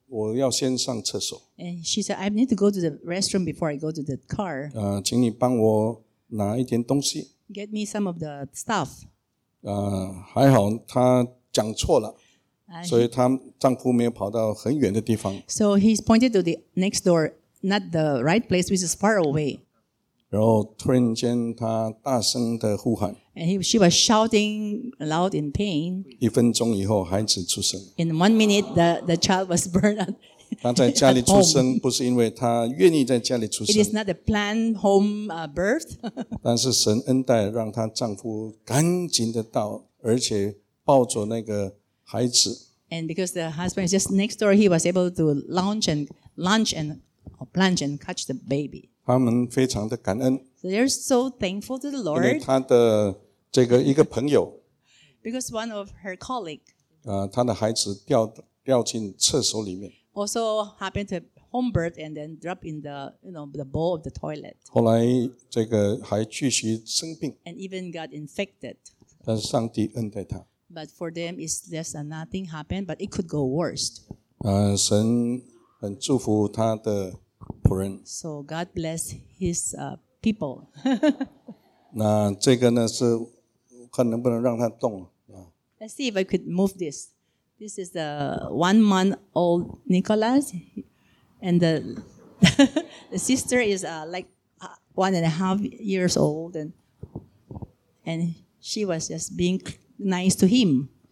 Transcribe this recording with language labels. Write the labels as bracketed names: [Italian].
[Chinese] 我要先上厕所。 [English] And she said, "I need to go to the restroom before I go to the car." [Chinese] 请你帮我拿一点东西。 [English] Get me some of the stuff. [Chinese] 还好她讲错了，所以她丈夫没有跑到很远的地方。 [English] So he pointed to the next door, not the right place, which is far away. [Chinese] 然后突然间，她大声的呼喊。 [English] And she was shouting loud in pain. [Chinese] 一分钟以后，孩子出生。 [English] In 1 minute, the child was born at home. [Chinese] 她在家里出生，不是因为她愿意在家里出生。 [English] It is not a planned home birth. [Chinese] 但是神恩待，让她丈夫赶紧的到，而且抱着那个孩子。 [English] And because the husband is just next door, he was able to plunge and catch the baby. [Chinese] 他们非常的感恩。 [English] They're so thankful to the Lord. [Chinese] 因为她的这个一个朋友 [English] ，because one of her colleague， [Chinese] 她的孩子掉进厕所里面 [English] ，also happened to home birth and then drop in the the bowl of the toilet。 [Chinese] 后来这个还继续生病 [English] ，and even got infected。 [Chinese] 但是上帝恩待她 [English] ，but for them it's just nothing happened, but it could go worse。 [Chinese] 神很祝福她的仆人 [English] ，so God bless his people。 [Chinese] 那这个呢是看能不能让它动 [English] Let's see if I could move this. This is the 1 month old Nicholas, and the sister is like 1.5 years old, and she was just being nice to him.